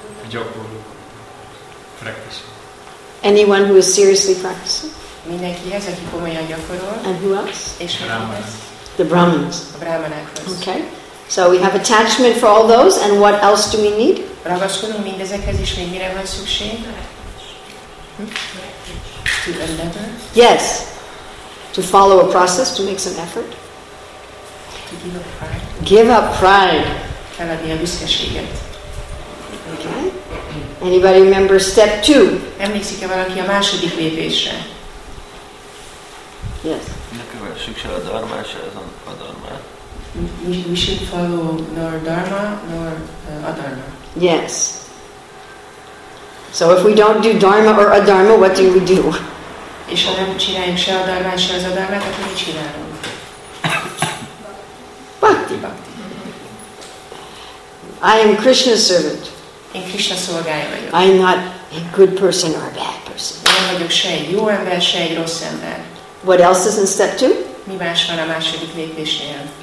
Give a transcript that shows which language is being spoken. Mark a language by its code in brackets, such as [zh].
[hu] Gyakorló, practice. [en] Anyone who is seriously practicing? [hu] Mindenki ez, aki komolyan gyakorol. [en] And who else? [hu] És Brahmanas. [en] The Brahmins. [hu] A Brahmanakhoz. [en] Okay. So we have attachment for all those, and what else do we need? [hu] Ragaszkodunk mindezekhez, és még mire van szükség? [en] To endeavor? Yes. To follow a process, to make some effort. To give up pride. Give up pride. [hu] Feladni a büszkeséget. [en] Okay. Anybody remember step two? [hu] Emlékszik-e valaki a második lépésre? [en] Yes. [hu] Ne kövessük se a dharmát, se az adharmát. [en] We should follow nor dharma nor adharma. Yes. So if we don't do dharma or adharma, what do we do? [hu] És ha nem csináljuk se a dharmát, se az adharmát, akkor mit csinálunk? [sa] Bhakti. Bhakti. [en] I am Krishna's servant. [hu] Én Krishna szolgája vagyok. [en] I am not a good person or a bad person. [hu] Én nem vagyok se egy jó ember, se egy rossz ember. [en] What else is in step two? [hu] Mi más van a második lépésnél?